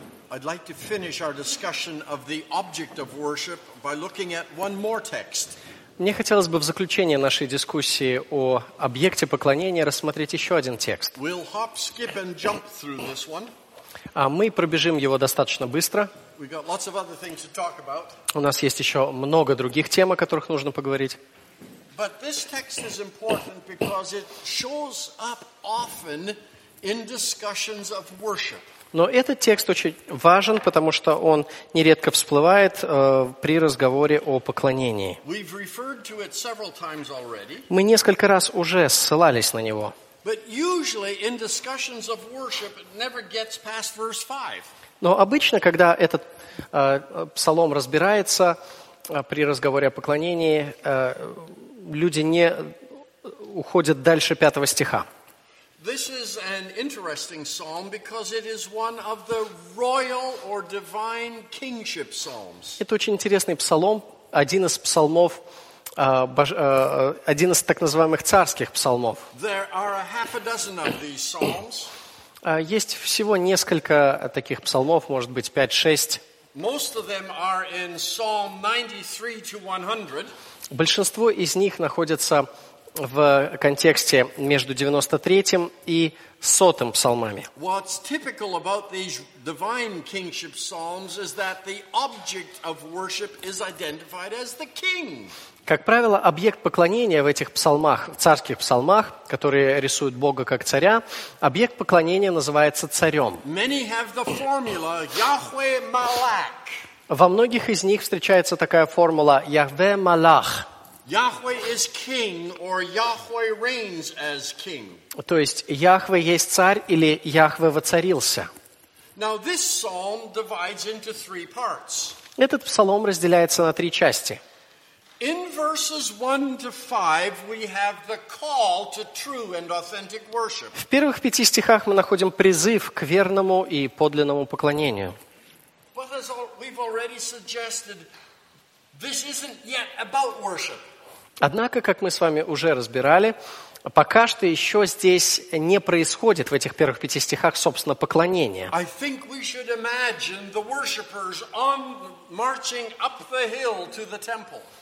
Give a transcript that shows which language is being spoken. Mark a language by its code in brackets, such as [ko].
[en] I'd like to finish our discussion of the object of worship by looking at one more text. [ru] Мне хотелось бы в заключение нашей дискуссии о объекте поклонения рассмотреть еще один текст. [en] We'll hop, skip and jump through this one. [ru] А мы пробежим его достаточно быстро. [en] We've got lots of other things to talk about. [ru] У нас есть еще много других тем, о которых нужно поговорить. [en] But this text is important because it shows up often in discussions of worship. [ru] Но этот текст очень важен, потому что он нередко всплывает при разговоре о поклонении. [en] We've referred to it several times already. [ru] Мы несколько раз уже ссылались на него. [en] But usually in discussions of worship, it never gets past verse 5. [ru] Но обычно, когда этот псалом разбирается при разговоре о поклонении, люди не уходят дальше 5 стиха. [en] This is an interesting psalm because it is one of the royal or divine kingship psalms. [ru] Это очень интересный псалом, один из псалмов, один из так называемых царских псалмов. [en] There are a half a dozen of these psalms. [ru] Есть всего несколько таких псалмов, может быть, 5-6. [en] Most of them are in Psalm 93-100. [ru] Большинство из них находятся в контексте между 93-м и 100-м псалмами. [en] What's typical about these divine kingship psalms is that the object of worship is identified as the king. [ru] Как правило, объект поклонения в этих псалмах, в царских псалмах, которые рисуют Бога как царя, объект поклонения называется царем. [en] Many have the formula Yahweh Malak. [ru] Во многих из них встречается такая формула Yahweh Malach. [en] Yahweh is king, or Yahweh reigns as king. [ru] То есть Яхве есть царь или Яхве воцарился. [en] Now this psalm divides into three parts. [ru] Этот псалом разделяется на три части. [en] In verses 1-5 we have the call to true and authentic worship. [ru] В первых пяти стихах мы находим призыв к верному и подлинному поклонению. [en] But as we've already suggested, this isn't yet about worship. [ru] Однако, как мы с вами уже разбирали, пока что еще здесь не происходит в этих первых пяти стихах, собственно, поклонение. [en] I think we should imagine the worshippers on marching up the hill to the temple.